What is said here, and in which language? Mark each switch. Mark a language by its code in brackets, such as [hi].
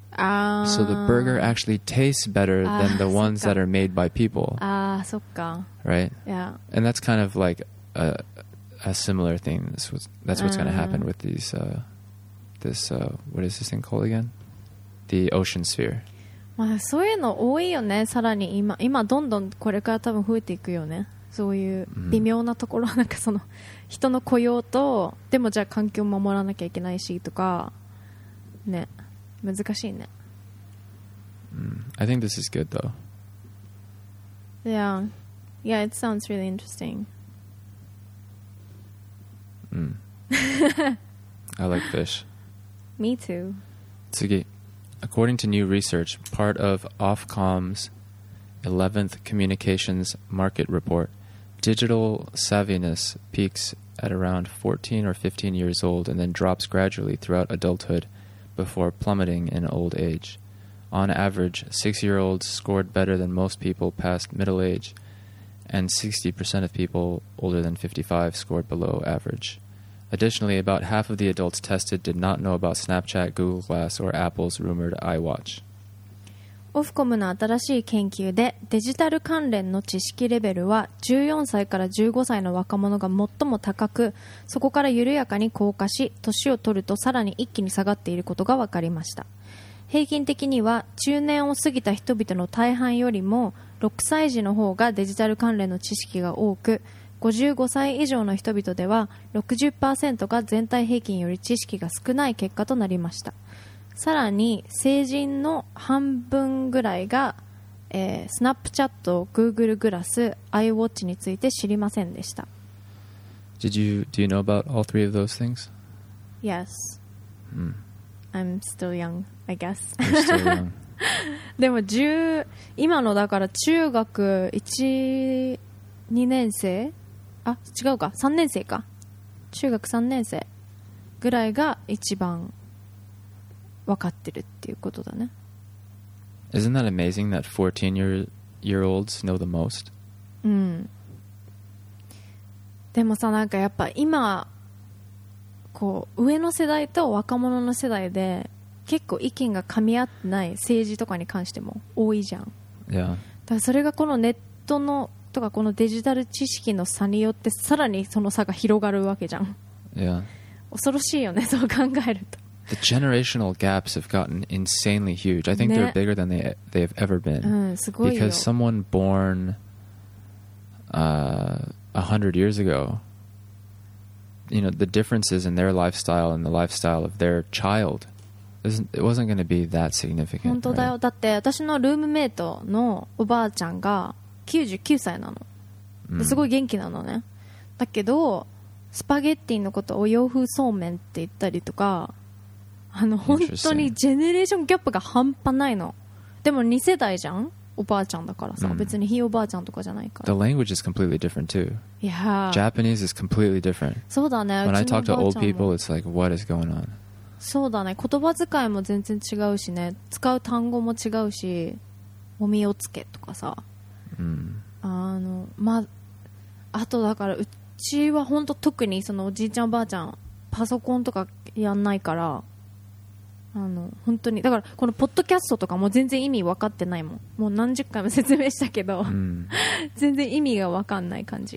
[en] So the burger actually tastes better than the ones that are made by people. [ja] Ah, そっか。 [en] Right? Yeah. And that's kind of like a similar thing. That's what's going to happen with these, what is this thing called again? The ocean sphere. [ja] まあ、そういうの多いよねさらに 今どんどんこれから多分増えていくよねそういう微妙なところ、mm-hmm. なんかその人の雇用とでもじゃあ環境守らなきゃいけないしとかね難しいね、 [en] mm-hmm. I think this is good though Yeah Yeah it sounds really interesting、 mm. I like fish Me too 次According to new research, part of Ofcom's 11th Communications Market Report, digital savviness peaks at around 14 or 15 years old and then drops gradually throughout adulthood before plummeting in old age. On average, 6-year-olds scored better than most people past middle age, and 60% of people older than 55 scored below average. Additionally, about half of the adults tested did not know about Snapchat, Google Glass, or Apple's rumored iWatch. [ja] Ofcom の新しい研究で、デジタル関連の知識レベルは14歳から15歳の若者が最も高く、そこから緩やかに降下し、年を取るとさらに一気に下がっていることが分かりました。平均的には中年を過ぎた人々の大半よりも6歳児の方がデジタル関連の知識が多く、55歳以上の人々では 60% が全体平均より知識が少ない結果となりましたさらに成人の半分ぐらいが、Snapchat、Google Glass、iWatch について知りませんでした [en] Do you know about all three of those things? Yes、 mm. I'm still young, I guess You're still young [ja] でも今のだから中学1、2年生あ、違うか、3年生か中学3年生ぐらいが一番分かってるっていうことだね [en] Isn't that amazing that 14-year-olds know the most? [ja] うんでもさ、なんかやっぱ今こう上の世代と若者の世代で結構意見が噛み合ってない政治とかに関しても多いじゃん、 [en] yeah. [ja] だからそれがこのネットのとかこのデジタル知識の差によってさらにその差が広がるわけじゃん。 [en] Yeah. [ja] 恐ろしいよね、そう考えると。 [en] The generational gaps have gotten insanely huge. I think、ね、they're bigger than they have ever been. [ja] うん、すごいよ。 [en] Because someone born 100 years ago, you know, the differences in their lifestyle and the lifestyle of their child, it wasn't going to be that significant. [ja] 本当だよ。 [en] Right? [ja] だって私のルームメイトのおばあちゃんが99歳なの。すごい元気なのね。だけど、スパゲッティのことを洋風そうめんって言ったりとか、本当にジェネレーションギャップが半端ないの。でも2世代じゃん？おばあちゃんだからさ。別にひいおばあちゃんとかじゃないから。 [en] The language is completely different too. Yeah. Japanese is completely different. [ja] そうだね。 [en] When I talk to old people, it's like, what is going on? [ja] そうだね。言葉遣いも全然違うしね。使う単語も違うし、お身をつけとかさ。まあ、あとだからうちは本当特にそのおじいちゃんおばあちゃんパソコンとかやんないから本当にだからこのポッドキャストとかも全然意味分かってないもんもう何十回も説明したけど、全然意味が分かんない感じ、